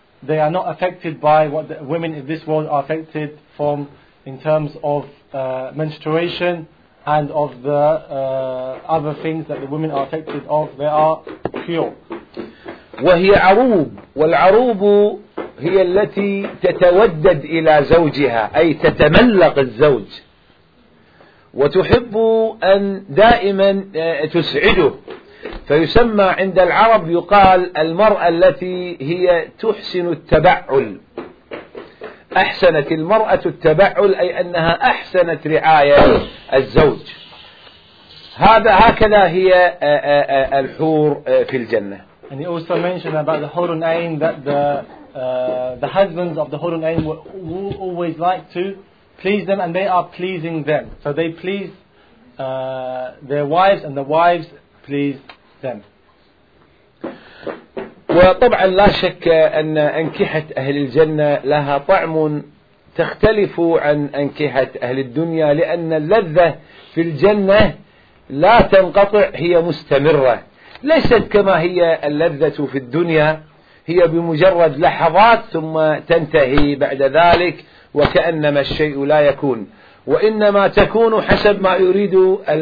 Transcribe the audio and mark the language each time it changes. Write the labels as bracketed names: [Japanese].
[English] They are not affected by what the women in this world are affected from in terms of menstruation and of the other things that the women are affected of. They are pure. [Arabic] وهي عروب، والعروب هي التي تتودد إلى زوجها، أي تتملق الزوج وتحب أن دائما تسعده، فيسمى عند العرب يقال المرأة التي هي تحسن التبعل، أحسنت المرأة التبعل، أي أنها أحسنت رعاية الزوج. هذا هكذا هي الحور في الجنة. [English] And he also mentioned about the Hur al-Ayn that the husbands of the Hur al-Ayn will always like to please them, and they are pleasing them, so they please their wives and the wives please them. [Arabic] وطبعا لا شك أن أنكحة أهل الجنة لها طعم تختلف عن أنكحة أهل الدنيا، لأن اللذة في الجنة لا تنقطع، هي مستمرة، ليست كما هي اللذة في الدنيا هي بمجرد لحظات ثم تنتهي بعد ذلك وكأنما الشيء لا يكون، وإنما تكون حسب ما يريد